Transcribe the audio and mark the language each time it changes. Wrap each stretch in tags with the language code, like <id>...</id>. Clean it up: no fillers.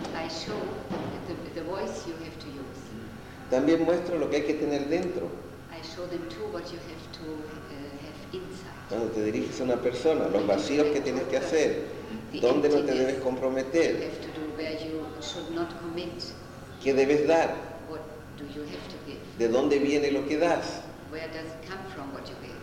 <en>I show the voice you have to use.</en> <es>También muestro lo que hay que tener dentro.</es> <en>I show them too what you have to have inside.</en> <es>Cuando te diriges a una persona, los vacíos que tienes que hacer, dónde no te debes comprometer,</es> <en>you have to do where you should not commit.</en> <es>¿Qué debes dar?</es> <en>What do you have to give?</en> <es>¿De dónde viene lo que das?</es> <en>Where does it come from, what you give?</en>